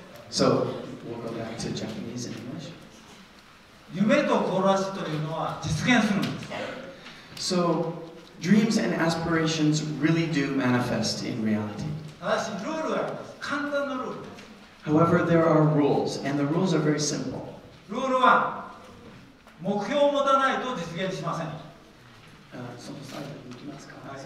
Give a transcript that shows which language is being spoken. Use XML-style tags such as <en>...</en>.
<en>So, we'll go back to Japanese and English.</en> <ja>夢と志というのは実現するんです。So,</ja> <en>dreams and aspirations really do manifest in reality. However, there are rules, and the rules are very simple. Rule 1.</en> <ja>目標を持たないと実現しません。その際に行きますか?</ja>